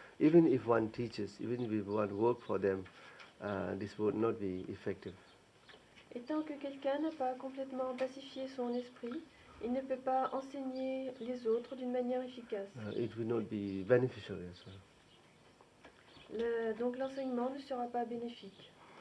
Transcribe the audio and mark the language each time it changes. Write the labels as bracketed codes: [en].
[en] Even if one teaches, even if one works for them, this would not be effective. [fr] Et tant que quelqu'un n'a pas complètement pacifié son esprit, il ne peut pas enseigner les autres d'une manière efficace. [en] It would not be beneficial, yes. [fr] Donc l'enseignement ne sera pas bénéfique.